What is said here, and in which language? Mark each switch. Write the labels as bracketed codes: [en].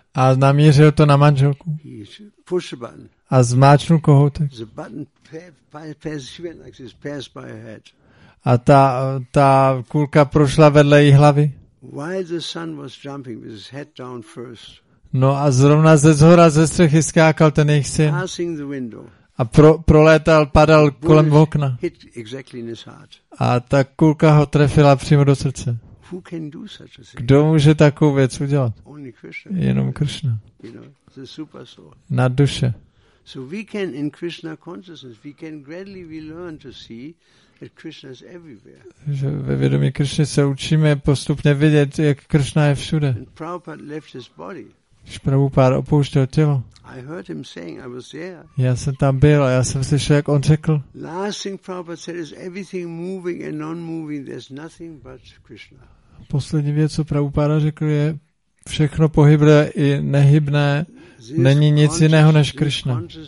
[cs] A namířil to na manželku. [en] Push the button. [cs] A zmáčnul kohoutek. [en] The button passed like this, passed by her head. [cs] A ta kulka prošla vedle její hlavy. [en] While the son was jumping with his head down first. [cs] No a zrovna ze zhora ze střechy skákal ten jejich syn. [en] Passing the window. [cs] A prolétal, padal kolem okna. [en] Hit exactly in his heart. [cs] A ta kulka ho trefila přímo do srdce. [en] Who can do such a thing? [cs] Kdo může takovou věc udělat? [en] Only Krishna. [cs] Jenom Krishna. [en] You know, the super soul. [cs] Na duše. [en] So we can in Krishna consciousness, we can gradually we learn to see that Krishna is everywhere. [cs] Že ve vědomí Krishna se učíme postupně vidět, jak Krishna je všude. [en] And Prabhupada left his body. [cs] Když Prabhupada opouštěl tělo. [en] I heard him saying, I was there. [cs] Já jsem tam byl a já jsem slyšel, jak on řekl. [en] Last thing Prabhupada said is everything moving and non-moving, there's nothing but Krishna. [cs] Poslední věc, co Prabhupada řekl, je všechno pohyblé i nehybné, není nic jiného než Krishna.